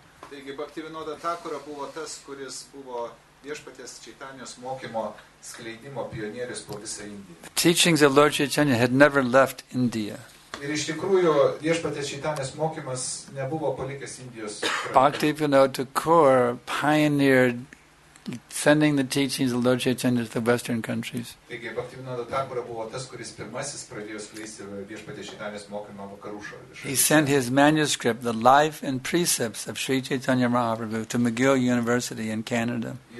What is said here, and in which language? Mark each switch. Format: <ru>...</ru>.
<lt>Taigi Bhaktivinoda Thakura buvo tas, kuris buvo viešpaties Čaitanijos mokymo skleidimo pionierius po visą Indiją.</lt> <en>The teachings of Lord Chaitanya had never left India.</en> <lt>Ir iš tikrųjų viešpaties Čaitanijos mokymas nebuvo palikęs Indijos.</lt> <en>Bhaktivinoda Thakura pioneered sending the teachings of Lord Chaitanya to the Western countries. He sent his manuscript, The Life and Precepts of Sri Chaitanya Mahaprabhu, to McGill University in Canada.</en>